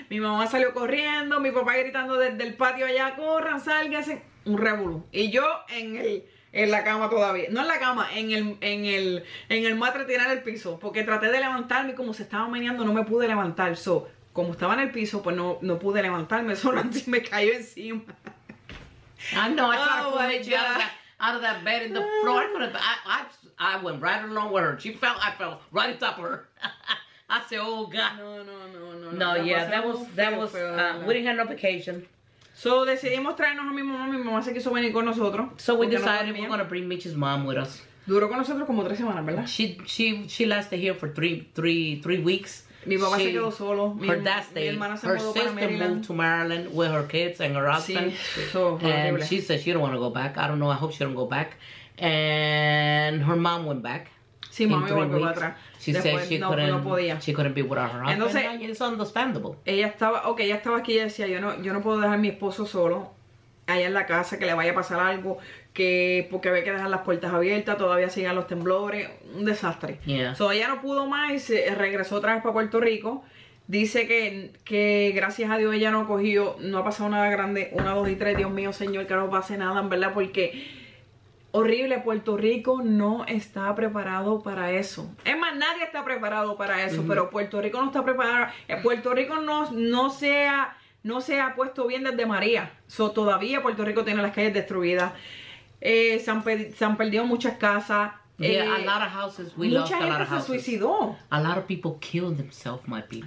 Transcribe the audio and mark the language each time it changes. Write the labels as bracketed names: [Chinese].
[Spanish] Mi mamá salió corriendo, mi papá gritando desde el patio allá, corran, salgan, un revolú. Y yo en el en la cama todavía. No en la cama, en el matre tirado en el piso. Porque traté de levantarme y como se estaba meneando, no me pude levantar. So, como estaba en el piso, pues no pude levantarme. Solo así me cayó encima. [English] I know, I tried to pull it out of that bed in the floor. I went right along with her. I fell right on top of her. I said, oh, God. No. That was we didn't have no vacation. [Spanish] So, decidimos traernos a mi mamá. Mi mamá se quiso venir con nosotros. [English] So, we decided we're going to bring Mitch's mom with us. [Spanish] Duró con nosotros como 3 semanas, ¿verdad? [English] She lasted here for three weeks. [Spanish] Mi papá se quedó solo. [English] Her dad stayed. Her sister moved to Maryland with her kids and her husband. [Spanish] Sí. [English] And she said she don't want to go back. I don't know. I hope she don't go back. And her mom went back. [Spanish] Sí, mami volvió para atrás. [English] She [Spanish] después, [English] said she no, couldn't, [Spanish] no podía. [English] She couldn't be without her husband. [Spanish] Entonces, [English] and it's understandable. [Spanish] Ella estaba aquí y decía, yo no puedo dejar a mi esposo solo allá en la casa, que le vaya a pasar algo, que porque había que dejar las puertas abiertas, todavía siguen los temblores, un desastre. [English] Yeah. [Spanish] So, ella no pudo más y se regresó otra vez para Puerto Rico. Dice que gracias a Dios ella no ha cogido, no ha pasado nada grande, 1, 2 y 3, Dios mío, Señor, que no pase nada, en verdad, porque horrible, Puerto Rico no está preparado para eso. Es más, nadie está preparado para eso, mm-hmm. Pero Puerto Rico no está preparado. Puerto Rico no se ha puesto bien desde María. So, todavía Puerto Rico tiene las calles destruidas. Se han perdido muchas casas. [English] Yeah, a lot of houses. We [Spanish] mucha [English] lost [Spanish] gente [English] a lot of [Spanish] se [English] houses. [Spanish] Suicidó. [English] A lot of people killed themselves, my people.